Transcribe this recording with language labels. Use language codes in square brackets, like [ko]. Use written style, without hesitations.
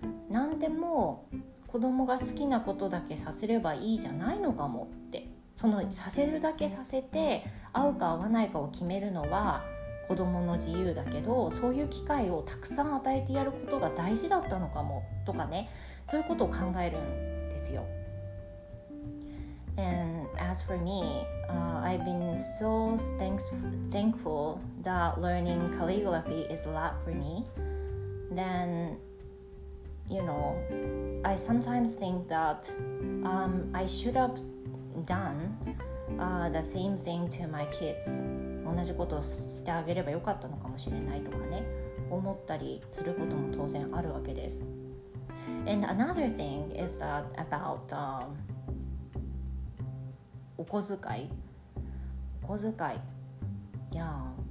[ja] 何でも子供が好きなことだけさせればいいじゃないのかもって、そのさせるだけさせて合うか合わないかを決めるのは子供の自由だけど、そういう機会をたくさん与えてやることが大事だったのかもとかね、そういうことを考えるんですよ。 [en] And as for me, I've been so thankful that learning calligraphy is a lot for me. Then, you know, I sometimes think that I should have done the same thing to my kids. [ja] 同じことをしてあげればよかったのかもしれないとかね、思ったりすることも当然あるわけです。 [en] And another thing is that about お小遣い、お小遣い、yeah.